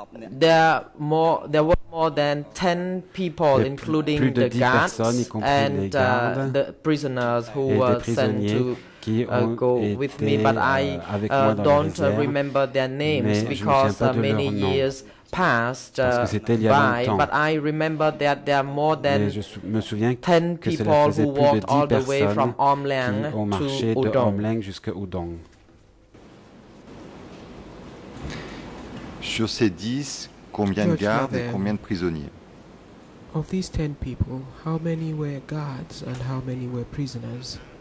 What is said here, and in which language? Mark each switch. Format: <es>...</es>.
<en>There were more than 10 people, including the guards and the prisoners who were sent to go with me, but I don't remember their names because many years passed by, but I remember that there are more than 10 people who walked all the way from Omlang to Udong.</en> <fr>Sur ces 10, combien de gardes et combien de prisonniers?</fr> <en>Of these 10 people, how many were guards and how many were prisoners?</en>